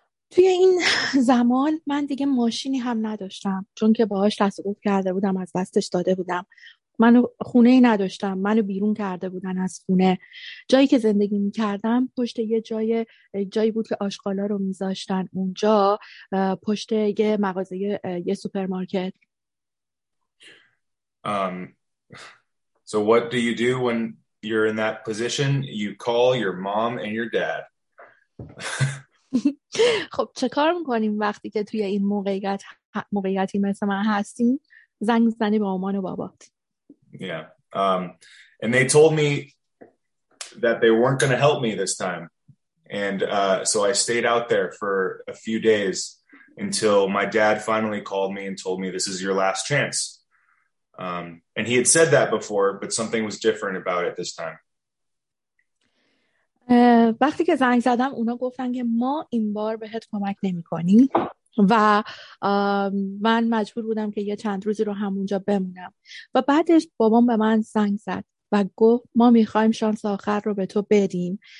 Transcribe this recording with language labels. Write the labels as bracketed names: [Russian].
[Persian] توی این زمان من دیگه ماشینی هم نداشتم، چون که باهاش تصادف کرده بودم، از دستش داده بودم. منو خونه نداشتم، منو بیرون کرده بودن از خونه. جایی که زندگی میکردم پشت یه جایی بود که آشغالا رو میذاشتن اونجا، پشت یه مغازه، یه سوپرمارکت. [English] So what do when you're in that position? You call your mom and your dad. [Persian] خب چه کار میکنیم وقتی که توی این موقعیتی مثل من هستیم؟ زنگ زنی به مامان و بابات. [English] Yeah. And they told me that they weren't going to help me this time. And so I stayed out there for a few days until my dad finally called me and told me this is your last chance. And he had said that before, but something was different about it this time. [Persian] وقتی که زنگ زدم اونا گفتن که ما این بار بهت کمک نمی کنیم و من مجبور بودم که یه چند روزی رو همونجا بمونم. و بعدش بابام به من زنگ زد و گفت ما میخوایم شانس آخر رو به تو بدیم.